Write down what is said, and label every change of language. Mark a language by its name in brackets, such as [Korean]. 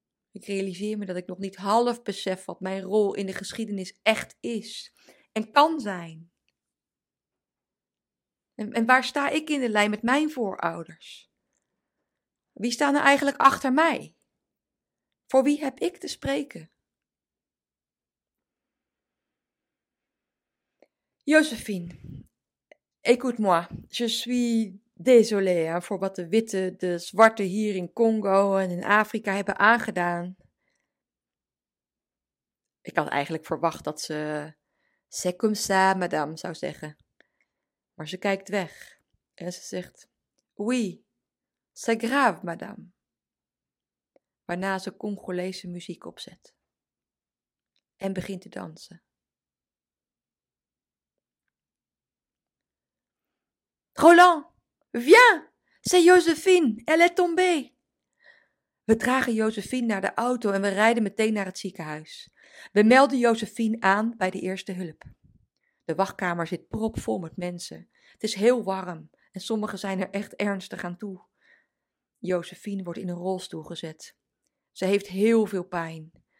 [Dutch] Ik realiseer me dat ik nog niet half besef wat mijn rol in de geschiedenis echt is en kan zijn. En waar sta ik in de lijn met mijn voorouders? Wie staan er eigenlijk achter mij? Voor wie heb ik te spreken? [French] Josephine, écoute moi, je suis... [Dutch] désolé voor wat de zwarte hier in Congo en in Afrika hebben aangedaan. Ik had eigenlijk verwacht dat ze [French] c'est comme ça, madame, [Dutch] zou zeggen. Maar ze kijkt weg en ze zegt [French] oui, c'est grave, madame. [Dutch] Waarna ze Congolese muziek opzet en begint te dansen. Roland! [French] Viens, c'est Josephine, elle est tombée. [Dutch] We dragen Josephine naar de auto en we rijden meteen naar het ziekenhuis. We melden Josephine aan bij de eerste hulp. De wachtkamer zit propvol met mensen. Het is heel warm en sommigen zijn er echt ernstig aan toe. Josephine wordt in een rolstoel gezet. Ze heeft heel veel pijn.